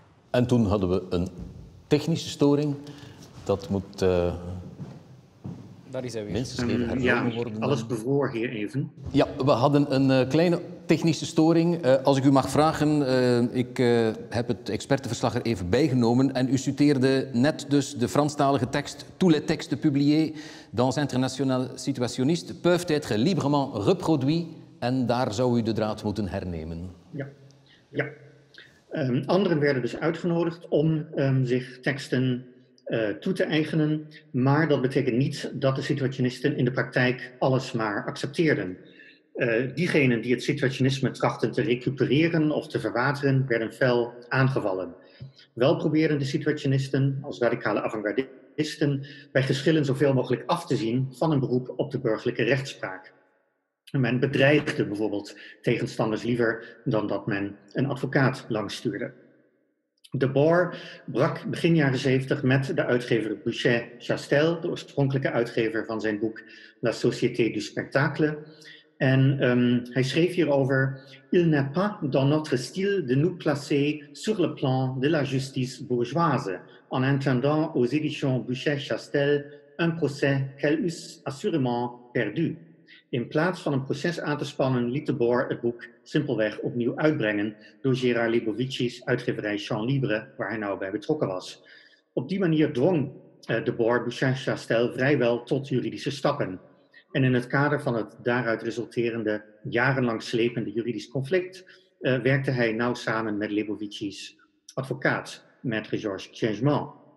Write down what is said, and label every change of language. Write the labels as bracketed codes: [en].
[nl] En toen hadden we een technische storing. Dat moet daar is hij weer. Minstens even hervormen worden. Ja, alles bevroor hier even. Ja, we hadden een kleine technische storing. Als ik u mag vragen, ik heb het expertenverslag er even bijgenomen. En u citeerde net dus de Franstalige tekst [fr] Tous les textes publiés dans International Situationiste peuvent être librement reproduits. [nl] En daar zou u de draad moeten hernemen. Ja, ja. Anderen werden dus uitgenodigd om zich teksten toe te eigenen, maar dat betekent niet dat de situationisten in de praktijk alles maar accepteerden. Diegenen die het situationisme trachten te recupereren of te verwateren, werden fel aangevallen. Wel probeerden de situationisten, als radicale avant-gardisten, bij geschillen zoveel mogelijk af te zien van een beroep op de burgerlijke rechtspraak. Men bedreigde bijvoorbeeld tegenstanders liever dan dat men een advocaat langstuurde. Debord brak begin jaren 70 met de uitgever Boucher Chastel, de oorspronkelijke uitgever van zijn boek La Société du Spectacle. En hij schreef hierover: [fr] Il n'est pas dans notre style de nous placer sur le plan de la justice bourgeoise, en attendant aux éditions Boucher Chastel un procès qu'elle eusse assurément perdu. [nl] In plaats van een proces aan te spannen, liet Debord het boek simpelweg opnieuw uitbrengen door Gérard Libovici's uitgeverij Champ Libre, waar hij nou bij betrokken was. Op die manier dwong Debord Boucher Chastel vrijwel tot juridische stappen. En in het kader van het daaruit resulterende jarenlang slepende juridisch conflict werkte hij nauw samen met Lebovici's advocaat, maître Georges Changement.